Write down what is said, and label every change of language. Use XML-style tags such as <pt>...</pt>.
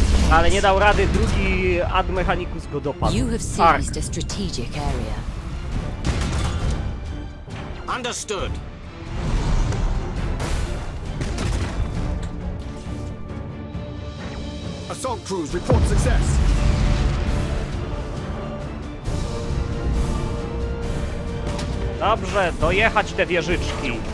<pl>Ale nie dał rady drugi Admechanicus go dopadł.</pl> <en>You have seized a strategic area. Understood. Assault crews report success.</en> <pl>Dobrze, dojechać te wieżyczki.</pl>